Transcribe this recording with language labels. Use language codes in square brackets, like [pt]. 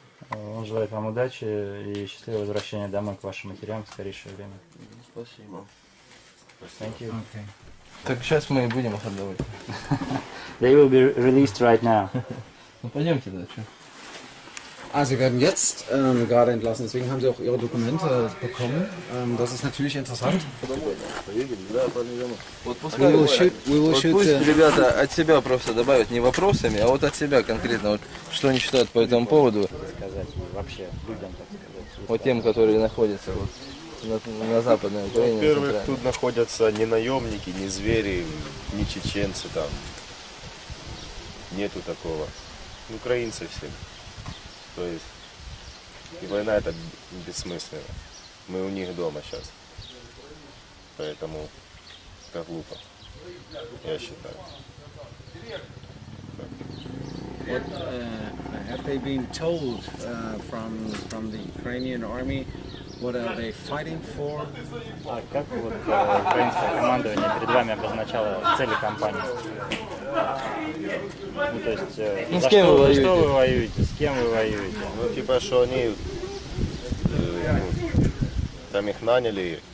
[ru] Он желает вам удачи и счастливого возвращения домой к вашим матерям в скорейшее время. Спасибо. [en] Thank you. Okay. [ru] Так сейчас мы будем их отдавать. [en] They will be released right now. [ru] Ну пойдемте дальше. [de] Ah, sie werden jetzt gerade entlassen, deswegen haben sie auch ihre Dokumente bekommen. Das ist natürlich interessant. [ru] Ребята, от себя просто добавить не вопросами, а вот от себя конкретно, вот что они считают по этому поводу. Вообще людям, так сказать. Вот тем, которые находятся вот на Западной Украине. Во-первых, тут находятся не наемники, не звери, не чеченцы там. Нету такого. Украинцы все. То есть, и война это бессмысленно. Мы у них дома сейчас. Поэтому это глупо, я считаю. [en] What have they been told from the Ukrainian army? What are they fighting for? [ru] А как вот украинское командование перед вами обозначало цели кампании? Ну, то есть, с кем что, вы воюете? Что вы воюете? С кем вы воюете? Ну, типа, что они там их наняли.